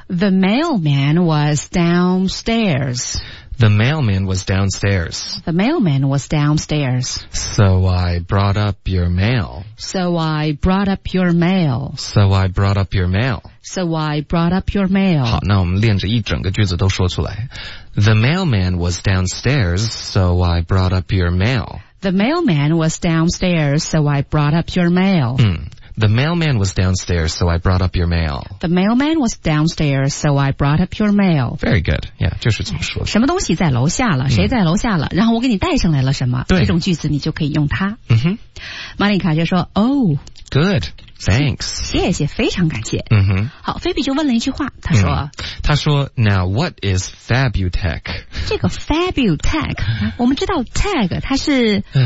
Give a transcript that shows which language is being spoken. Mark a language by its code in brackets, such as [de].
[en] The mailman was downstairs The mailman was downstairs. The mailman was downstairs. So I brought up your mail. So I brought up your mail. So I brought up your mail. So I brought up your mail. [zh] 好，那我们练着一整个句子都说出来。 [en] The mailman was downstairs, so I brought up your mail. The mailman was downstairs, so I brought up your mail. The mailman was downstairs, so I brought up your mail. The mailman was downstairs, so I brought up your mail. Very good. Yeah, [zh] 就是这么说的。什么东西在楼下了？谁在楼下了？然后我给你带上来了什么？对，这种句子你就可以用它。嗯哼。 Monica 就说 ，Oh, [en] good, thanks. [zh] 谢谢，非常感谢。嗯哼。好，菲比就问了一句话，他说，他说 [en] ，Now what is Fabutech? [zh] 这个 Fabutech， 我们知道 tech 它是。